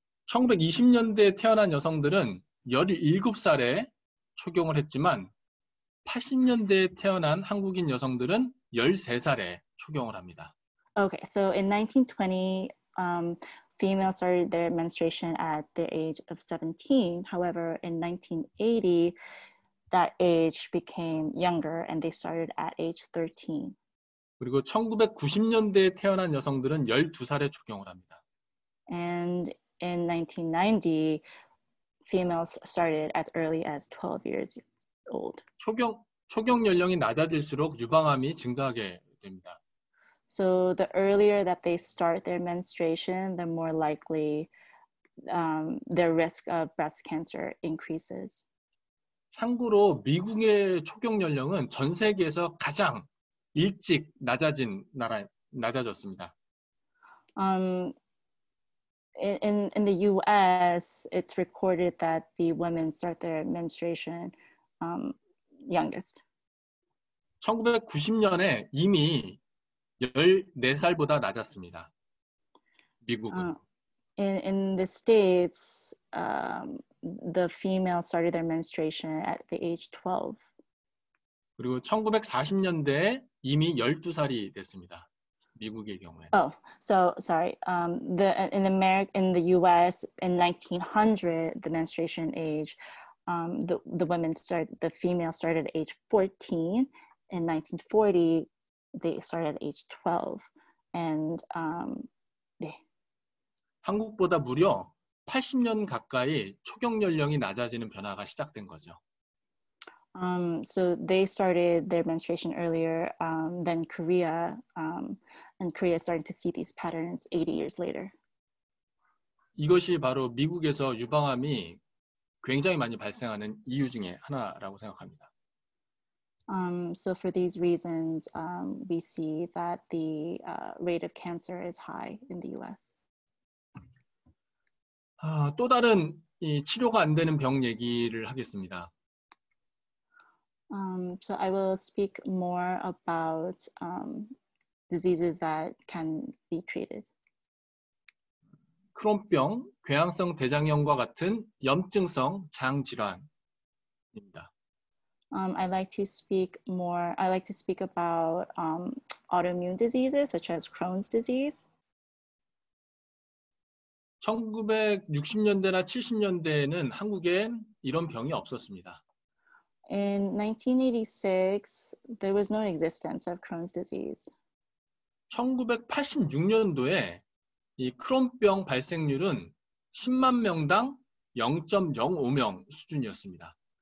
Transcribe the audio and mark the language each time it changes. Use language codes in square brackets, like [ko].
[ko] 1920년대에 태어난 여성들은 17살에 초경을 했지만 80년대에 태어난 한국인 여성들은 13살에 초경을 합니다. [en] Okay, so in 1920, females started their menstruation at the age of 17. However, in 1980, that age became younger and they started at age 13. [ko] 그리고 1990년대에 태어난 여성들은 12살에 초경을 합니다. [en] And in 1990, females started as early as 12 years old. [ko] 초경 연령이 낮아질수록 유방암이 증가하게 됩니다. [en] So the earlier that they start their menstruation, the more likely their risk of breast cancer increases. [ko] 참고로 미국의 초경 연령은 전 세계에서 가장 일찍 낮아졌습니다. [en] In the U.S., it's recorded that the women start their menstruation youngest. [ko] 1990년에 이미 14살보다 낮았습니다. 미국은. [en] In the States, the female started their menstruation at the age 12. [ko] 그리고 1940년대에 이미 12살이 됐습니다. 미국의 경우에. [en] Oh, so sorry. In the U.S. in 1900, the menstruation age, the female started at age 14. In 1940, they started at age 12. And [ko] 네. 한국보다 무려 80년 가까이 초경 연령이 낮아지는 변화가 시작된 거죠. [en] So they started their menstruation earlier than Korea, and Korea started to see these patterns 80 years later. [ko] 이것이 바로 미국에서 유방암이 굉장히 많이 발생하는 이유 중에 하나라고 생각합니다. [en] So for these reasons, we see that the rate of cancer is high in the U.S. [ko] 또 다른 이 치료가 안 되는 병 얘기를 하겠습니다. [en] So I will speak more about diseases that can be treated. [ko] 크롬병, 궤양성 대장염과 같은 염증성 장질환입니다. [en] I like to speak about autoimmune diseases such as Crohn's disease. [ko] 1960년대나 70년대에는 한국엔 이런 병이 없었습니다. [en] In 1986, there was no existence of Crohn's disease. [ko] 1986년도에 이 크롬병 발생률은 10만 명당 0.05명 수준이었습니다.